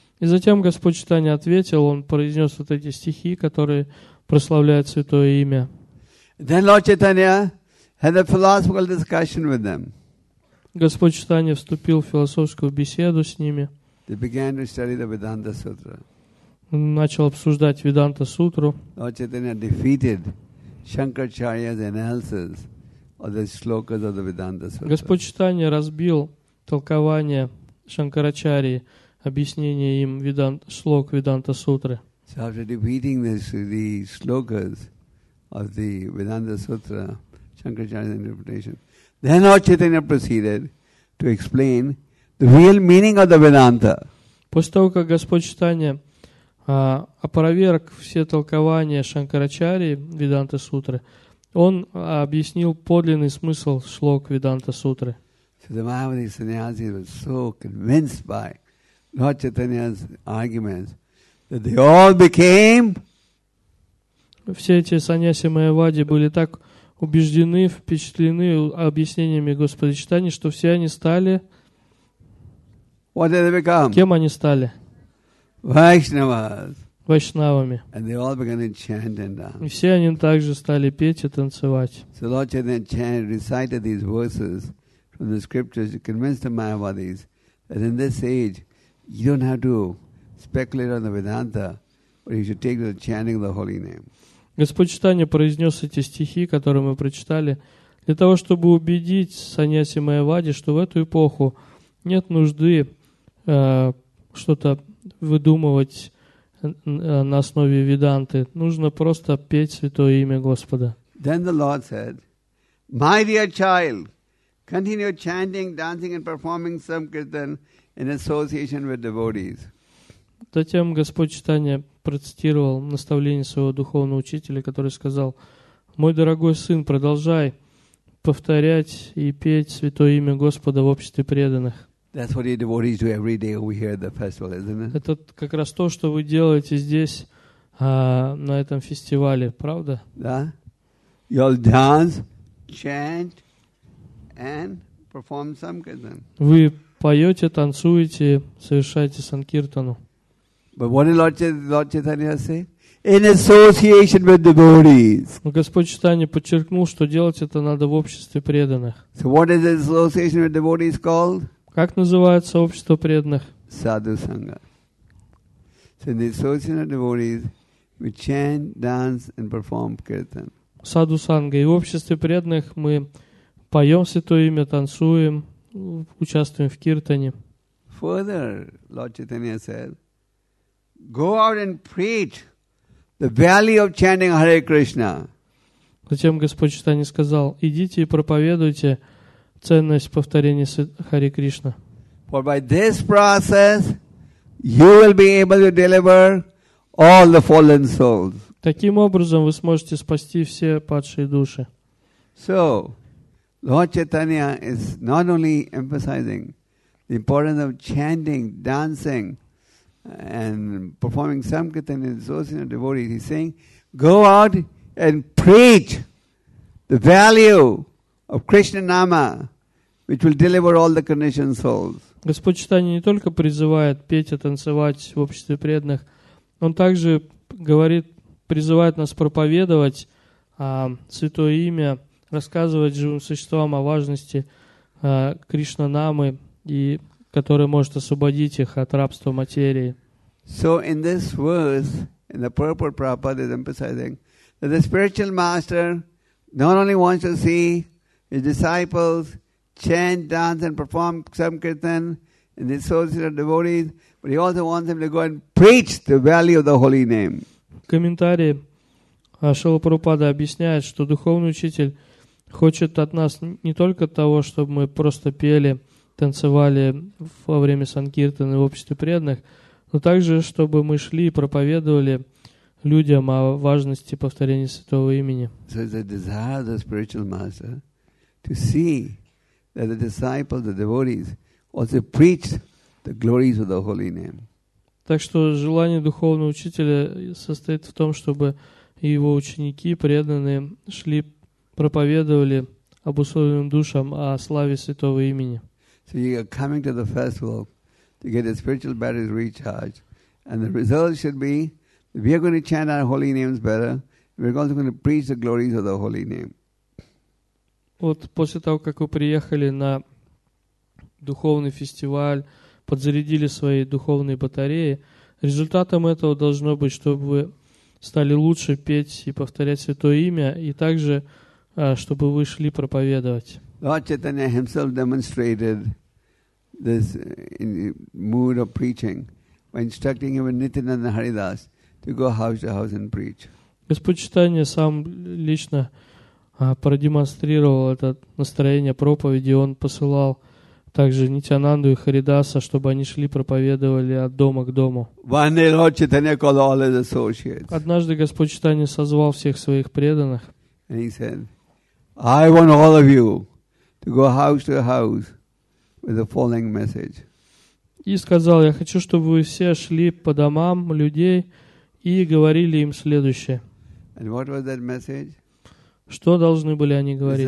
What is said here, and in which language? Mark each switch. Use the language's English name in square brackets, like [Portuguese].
[Russian] И затем Господь Чайтанья ответил, он произнес вот эти стихи, которые прославляют святое имя. [English] And then Lord Chaitanya had a philosophical discussion with them. [Russian] Господь Чайтанья вступил в философскую беседу с ними. [English] They began to study the Vedanta Sutra. [Russian] Он начал обсуждать Веданта Сутру. [English] Lord Chaitanya defeated Shankaracharya's analysis of the shlokas of the Vedanta Sutra. [Russian] Господь Чайтанья разбил толкование Шанкарачарьи, объяснение им шлок Веданта Сутры. [English] So after defeating the shlokas of the Vedanta Sutra, Shankaracharya's interpretation, then Lord Chaitanya proceeded to explain real meaning of the Vedanta. [Russian] После того, как Господь Читания опроверг все толкования Шанкарачари Веданта Сутры, он объяснил подлинный смысл шлок Веданта Сутры. Все эти саньяси Майавади были так убеждены, впечатлены объяснениями Господа Читани, что все они стали... [English] What did they become? [Russian] Кем они стали? Вайшнавас. Вайшнавами. [English] And they all began to chant and dance. [Russian] И все они также стали петь и танцевать. [English] So Lord Chaitanya chanted, recited these verses from the scriptures to convince the Mayavadis that in this age you don't have to speculate on the Vedanta, but you should take to chanting the holy name. [Russian] Господь Читания произнес эти стихи, которые мы прочитали, для того, чтобы убедить саньяси Майавади, что в эту эпоху нет нужды что-то выдумывать на основе Веданты. Нужно просто петь святое имя Господа. [English] Then the Lord said, "My dear child, continue chanting, dancing and performing samkirtan in association with devotees." [Russian] Затем Господь Читания процитировал наставление своего духовного учителя, который сказал: «Мой дорогой сын, продолжай повторять и петь святое имя Господа в обществе преданных». [English] That's what your devotees do every day over here at the festival, isn't it? [Russian] Это как раз то, что вы делаете здесь, на этом фестивале, правда? Да. [English] You'll dance, chant, and perform samkirtan. [Russian] Вы поете, танцуете, совершаете санкиртану. [English] But what did Lord Chaitanya say? In association with devotees. [Russian] Но Господь Читания подчеркнул, что делать это надо в обществе преданных. [English] So what is association with devotees called? [Russian] Как называется общество преданных? [English] Саду Санга. So in the association of devotees, we chant, dance, and perform kirtan. [Russian] Саду Санга. И в обществе преданных мы поем святое имя, танцуем, участвуем в киртане. [English] Further, Lord Chaitanya said, go out and preach the value of chanting Hare Krishna. [Russian] Затем Господь Читания сказал, идите и проповедуйте ценность повторения Хари Кришна. [English] For by this process you will be able to deliver all the fallen souls. [Russian] Таким образом вы сможете спасти все падшие души. [English] So, Lord Chaitanya is not only emphasizing the importance of chanting, dancing, and performing samkirtan in association of devotees. He's saying, go out and preach the value of Krishna Nama, which will deliver all the conditioned souls. [Russian] Господь Читания не только призывает петь и танцевать в обществе преданных, он также говорит, призывает нас проповедовать святое имя, рассказывать живым существам о важности Кришна Намы, и который может освободить их от рабства материи. [English] So in this verse, in the purport, Prabhupada is emphasizing that the spiritual master not only wants to see his disciples chant, dance, and perform samkirtan in the association of devotees, but he also wants them to go and preach the value of the holy name. [Russian] В комментарии Шрила Прабхупада объясняет, что духовный учитель хочет от нас не только того, чтобы мы просто пели, танцевали во время санкиртаны в обществе преданных, но также, чтобы мы шли и проповедовали людям о важности повторения святого имени. [English] So it's the desire of the spiritual master to see that the disciples, the devotees, also preach the glories of the holy name. [Russian] Так что желание духовного учителя состоит в том, чтобы его ученики, преданные, шли, проповедовали обусловленным душам о славе святого имени. [English] So you are coming to the festival to get the spiritual batteries recharged. And the result should be that we are going to chant our holy names better. We're also going to preach the glories of the holy name. [Russian] Вот после того, как вы приехали на духовный фестиваль, подзарядили свои духовные батареи, результатом этого должно быть, чтобы вы стали лучше петь и повторять святое имя, и также, чтобы вы шли проповедовать. [English] Lord Chaitanya himself demonstrated this mood of preaching by instructing even Nityananda Haridas to go house to house and preach. [Russian] Господь Читания сам лично продемонстрировал это настроение проповеди. Он посылал также Нитянанду и Харидаса, чтобы они шли проповедовали от дома к дому. Однажды Господь Читания созвал всех своих преданных. [English] And he said, I want all of you to go house to house with the following message. [Russian] И сказал, я хочу, чтобы вы все шли по домам людей и говорили им следующее. [English] And what was that message? [Russian] Что должны были они говорить?